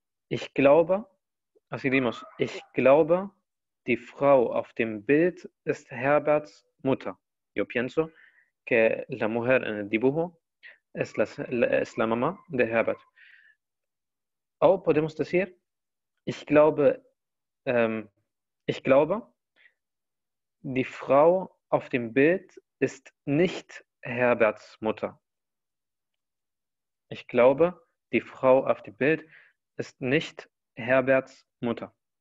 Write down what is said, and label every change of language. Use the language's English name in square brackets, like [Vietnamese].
[German] Ich glaube, [Spanish] así dimos, [German] ich glaube, die Frau auf dem Bild ist Herberts Mutter. [Spanish] Yo pienso que la mujer en el dibujo es la mamá de Herbert. O podemos decir, [German] ich glaube, die Frau auf dem Bild ist nicht Herberts Mutter. Ich glaube, die Frau auf dem Bild ist nicht Herberts Mutter.